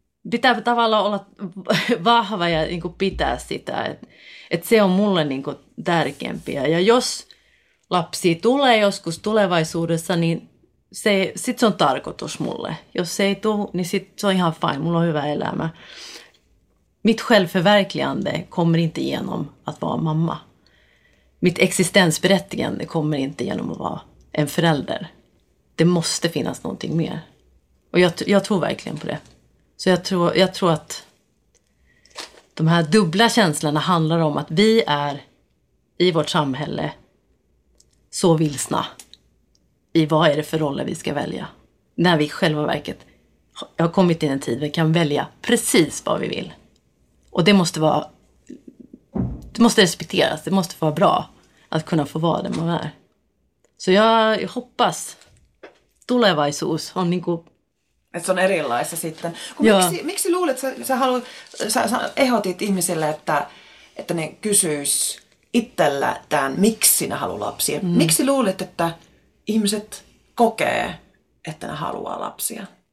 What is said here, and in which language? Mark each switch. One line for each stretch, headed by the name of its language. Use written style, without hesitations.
Finnish: Pitää tavallaan olla vahva ja niin kuin pitää sitä, että se on mulle niin kuin tärkeämpiä. Ja jos lapsia tulee joskus tulevaisuudessa, niin sitten se on tarkoitus mulle. Jos se ei tule, niin sit se on ihan fine. Mulla on hyvä elämä.
Swedish: Mitt självförverkligande kommer inte genom att vara mamma. Mitt existensberättigande kommer inte genom att vara en förälder. Det måste finnas någonting mer. Och jag tror verkligen på det. Så jag tror att de här dubbla känslorna handlar om att vi är i vårt samhälle så vilsna. I vad är det för roller vi ska välja? När vi själva verket har kommit in en tid vi kan välja precis vad vi vill. Och det måste respekteras, det måste vara bra att kunna få vara det man är. Så jag hoppas
Finnish: tulevaisuus on niin kuin... Että se on erilaisia sitten. Miksi luulet, että sä ehdotit ihmisille, että ne kysyis itsellä tämän, miksi sinä haluat lapsia? Mm. Miksi luulet, että ihmiset kokee, että ne haluaa lapsia?